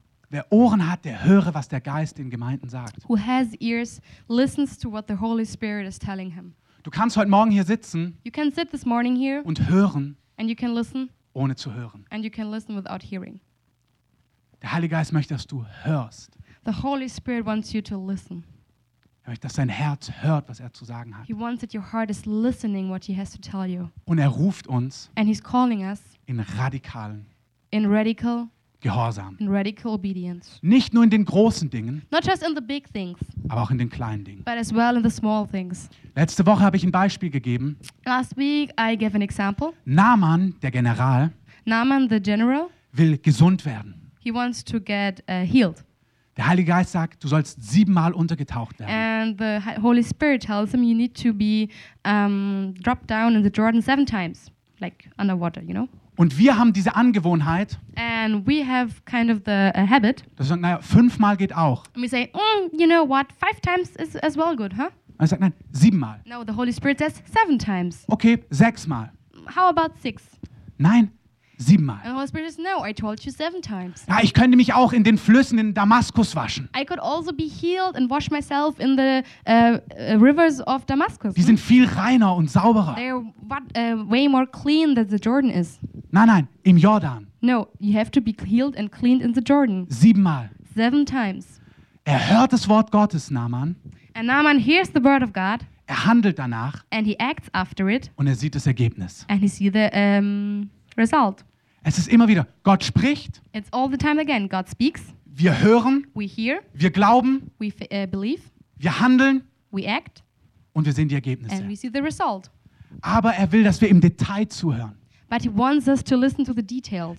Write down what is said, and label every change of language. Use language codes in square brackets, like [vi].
[de] Wer Ohren hat, der höre, was der Geist den Gemeinden sagt. [en] Who has ears listens to what the Holy Spirit is telling him. [de] Du kannst heute Morgen hier sitzen. [en] You can sit this morning here. [de] Und hören. [en] And you can listen. [de] Ohne zu hören. [en] And you can listen without hearing. [de] Der Heilige Geist möchte, dass du hörst. [en] The Holy Spirit wants you to listen. [de] Er möchte, dass dein Herz hört, was er zu sagen hat. [en] He wants that your heart is listening what he has to tell you. [de] Und er ruft uns. [en] And he's calling us. [de] In radikalen. [en] In radical. [de] Gehorsam. [en] In radical obedience. [de] Nicht nur in den großen Dingen. [en] Not just in the big things. [de] Aber auch in den kleinen Dingen. [en] But as well in the small things. [de] Letzte Woche habe ich ein Beispiel gegeben. [en] Last week I gave an example. [de] Naaman, der General. [en] Naaman, the general. [de] Will gesund werden. [en] He wants to get healed. [de] Der Heilige Geist sagt, du sollst 7-mal untergetaucht werden. [en] And the Holy Spirit tells him you need to be dropped down in the Jordan 7 times, like underwater, you know. [de] Und wir haben diese Angewohnheit. [en] And we have kind of the habit. [de] Dass wir sagen, naja, 5-mal geht auch. [en] And we say, you know what, 5 times is as well good, huh? [de] Und er sagt, nein, 7-mal. [en] No, the Holy Spirit says 7 times. [de] Okay, 6-mal. [en] How about 6? [de] Nein. 7-mal. [en] And the Holy Spirit says, no, I told you 7 times. [de] Ja, ich könnte mich auch in den Flüssen in Damaskus waschen. [en] I could also be healed and wash myself in the rivers of Damascus. [de] Die sind viel reiner und sauberer. [en] They're way more clean than the Jordan is. [de] Nein, nein, im Jordan. [en] No, you have to be healed and cleaned in the Jordan. [de] 7-mal. [en] 7 times. [de] Er hört das Wort Gottes, Naaman. [en] And Naaman hears the word of God. [de] Er handelt danach. [en] And he acts after it. [de] Und er sieht das Ergebnis. [en] And he sees the result. [de] Es ist immer wieder, Gott spricht. [en] It's all the time again, God speaks. [de] Wir hören. [en] We hear. [de] Wir glauben. [en] We believe. [de] Wir handeln. [en] We act. [de] Und wir sehen die Ergebnisse. [en] And we see the result. [de] Aber er will, dass wir im Detail zuhören. [en] But he wants us to listen to the details.